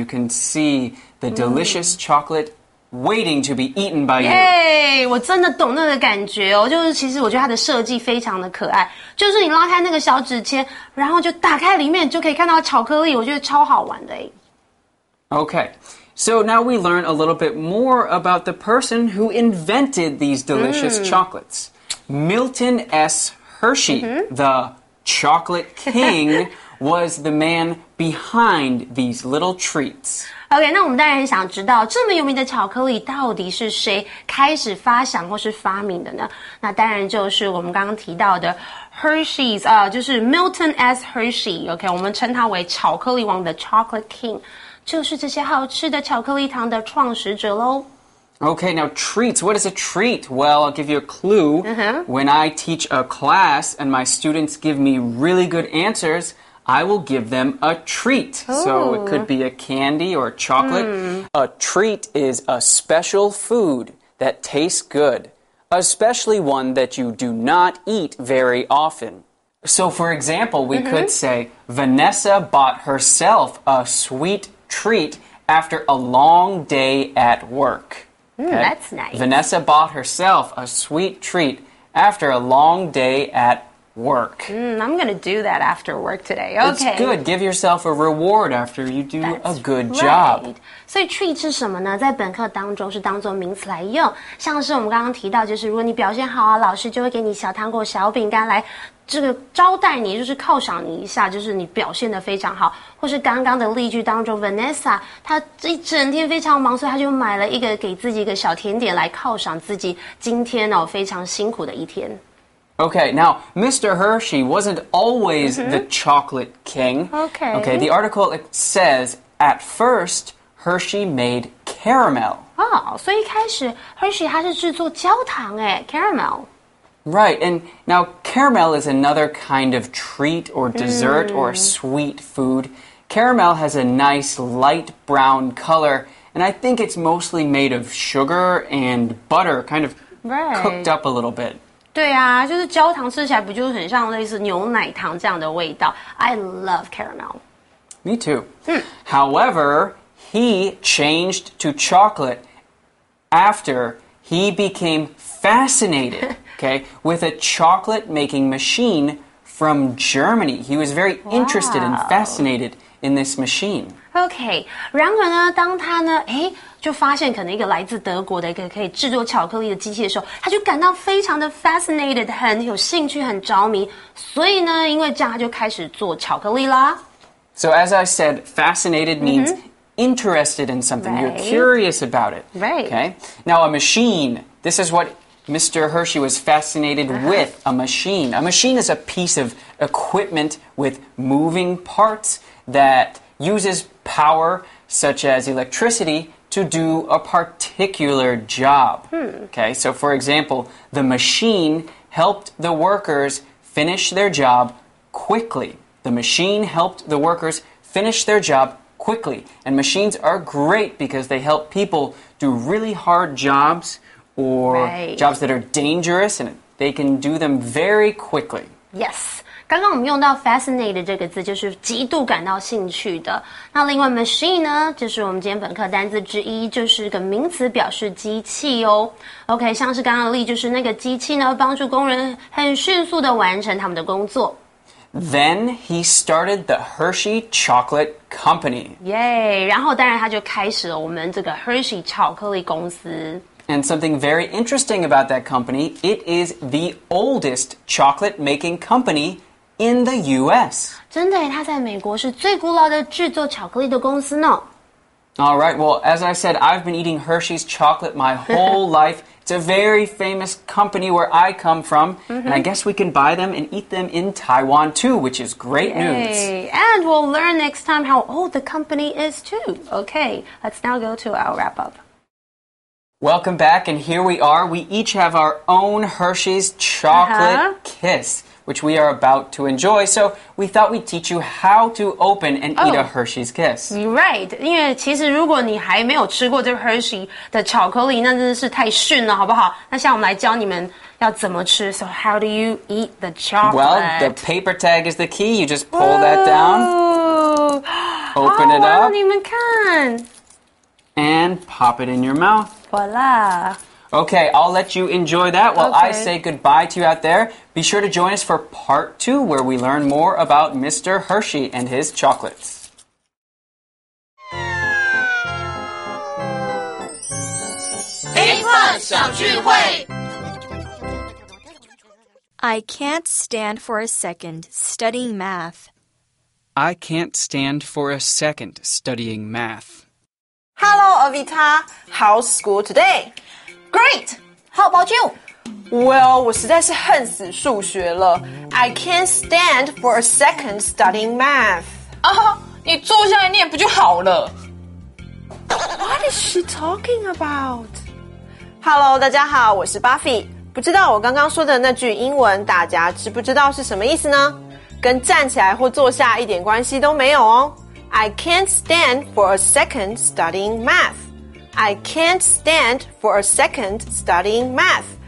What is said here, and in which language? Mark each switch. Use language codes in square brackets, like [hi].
[en] You can see the delicious chocolate waiting to be eaten by you. Yay! [zh] 我真的懂那个感觉哦。就是其实我觉得它的设计非常的可爱。就是你拉开那个小纸签然后就打开里面就可以看到巧克力。我觉得超好玩的诶。 [en] Okay. So now we learn a little bit more about the person who invented these delicious chocolates. Milton S. Hershey, the chocolate king, was the man behind these little treats. [zh] OK, 那我们当然很想知道这么有名的巧克力到底是谁开始发想或是发明的呢？那当然就是我们刚刚提到的 Hershey's, 就是 Milton S. Hershey, OK, 我们称他为巧克力王 [en] The Chocolate King, [zh] 就是这些好吃的巧克力糖的创始者咯。 [en] Okay, now treats. What is a treat? Well, I'll give you a clue. Uh-huh. When I teach a class and my students give me really good answers, I will give them a treat. Ooh. So it could be a candy or a chocolate. Mm. A treat is a special food that tastes good, especially one that you do not eat very often. So for example, we could say, Vanessa bought herself a sweet treat after a long day at work. Okay. That's nice. Vanessa bought herself a sweet treat after a long day at work. I'm going to do that after work today. Okay. It's good. Give yourself a reward after you do That's a good job. Right. [zh] 所以 treat 是什么呢？在本课当中是当做名词来用。像是我们刚刚提到，就是如果你表现好啊，老师就会给你小糖果、小饼干来这个招待你，就是犒赏你一下，就是你表现得非常好。或是刚刚的例句当中 ，Vanessa 她一整天非常忙，所以她就买了一个给自己一个小甜点来犒赏自己今天哦非常辛苦的一天。 [en] Okay, now Mr. Hershey wasn't always the chocolate king. Okay. Okay, the article says at first Hershey made caramel. Oh, so [zh] 一开始 Hershey 他是制作焦糖哎 caramel. [en] Right, and now caramel is another kind of treat or dessert or sweet food. Caramel has a nice light brown color, and I think it's mostly made of sugar and butter, kind of cooked up a little bit. [zh] 对啊，就是焦糖吃起来不就很像类似牛奶糖这样的味道。 [en] I love caramel. Me too. However, he changed to chocolate after he became fascinated. Okay, with a chocolate-making machine from Germany. He was very interested and fascinated in this machine. [zh] Okay, 然而呢，当他呢，哎，就发现可能一个来自德国的一个可以制作巧克力的机器的时候，他就感到非常的 fascinated, 很有兴趣，很着迷。所以呢，因为这样，他就开始做巧克力啦。 [en] So as I said, fascinated means interested in something. Right. You're curious about it. Right. Okay. Now a machine, this is what... Mr. Hershey was fascinated with a machine. A machine is a piece of equipment with moving parts that uses power, such as electricity, to do a particular job. Okay, so for example, the machine helped the workers finish their job quickly. The machine helped the workers finish their job quickly. And machines are great because they help people do really hard jobs. Or jobs that are dangerous, and they can do them very quickly. Yes. [zh] 刚刚我们用到 fascinated 这个字，就是极度感到兴趣的。那另外 machine 呢，就是我们今天本课单字之一，就是个名词，表示机器哦。 OK, 像是刚刚的例，就是那个机器呢，帮助工人很迅速的完成他们的工作。 [en] Then he started the Hershey Chocolate Company. Yay! [zh] 然后当然他就开始了我们这个 Hershey 巧克力公司。 [en] And something very interesting about that company, it is the oldest chocolate-making company in the U.S. [zh] 真的耶，它在美国是最古老的制作巧克力的公司呢。 [en] All right, well, as I said, I've been eating Hershey's chocolate my whole life. It's a very famous company where I come from. And I guess we can buy them and eat them in Taiwan, too, which is great news. And we'll learn next time how old the company is, too. Okay, let's now go to our wrap-up. Welcome back, and here we are. We each have our own Hershey's Chocolate Kiss, which we are about to enjoy. So we thought we'd teach you how to open and eat a Hershey's Kiss. You're right. [zh] 因为其实如果你还没有吃过这 Hershey 的巧克力，那真的是太逊了，好不好？那现在我们来教你们要怎么吃。 [en] So how do you eat the chocolate? Well, the paper tag is the key. You just pull that down. Open it up. [zh] 你们看。 [en] And pop it in your mouth. Voila. Okay, I'll let you enjoy that while I say goodbye to you out there. Be sure to join us for part two, where we learn more about Mr. Hershey and his chocolates. I can't stand for a second studying math. I can't stand for a second studying math. Hello, Avita. How's school today? Great. How about you? [zh] Well, 我实在是恨死数学了。 [en] I can't stand for a second studying math. [zh] 啊哈，你坐下来念不就好了？ [en] What is she talking about? [zh] Hello, 大家好，我是 Buffy。不知道我刚刚说的那句英文，大家知不知道是什么意思呢？跟站起来或坐下一点关系都没有哦。 [en] I can't stand for a second studying math. I can't stand for a second studying math.